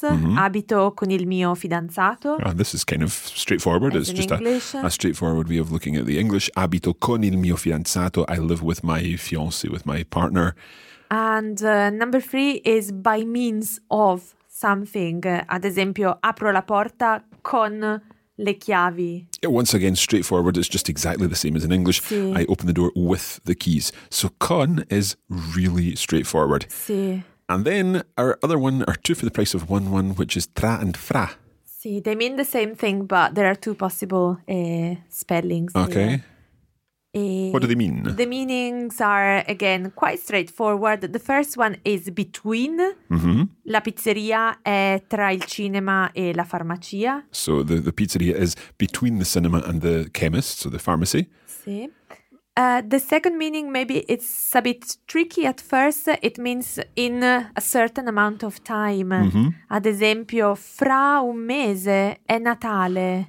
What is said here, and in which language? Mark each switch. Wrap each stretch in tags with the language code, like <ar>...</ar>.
<it>mm-hmm. abito con il mio fidanzato.</it> <en>Oh, this is kind of straightforward. It's just a straightforward way of looking at the English.</en> <it>Abito con il mio fidanzato.</it> <en>I live with my fiancé, with my partner. And number three is by means of something.</en> <it>Ad esempio, apro la porta con le chiavi.</it> <en>Once again, straightforward. It's just exactly the same as in English.</en> <it>Sì.</it> <en>I open the door with the keys. So con is really straightforward.</en> <it>Sì.</it> <en>And then our other one, our two for the price of one, which is tra and fra. Sì, they mean the same thing, but there are two possible spellings. Okay. Here. What do they mean? The meanings are, again, quite straightforward. The first one is between. Mm-hmm.</en> <it>La pizzeria è tra il cinema e la farmacia.</it> <en>So the pizzeria is between the cinema and the chemist, so the pharmacy.</en> <it>Sì.</it> <en>The second meaning, maybe it's a bit tricky at first. It means in a certain amount of time. Mm-hmm.</en> <it>Ad esempio, fra un mese è Natale.</it>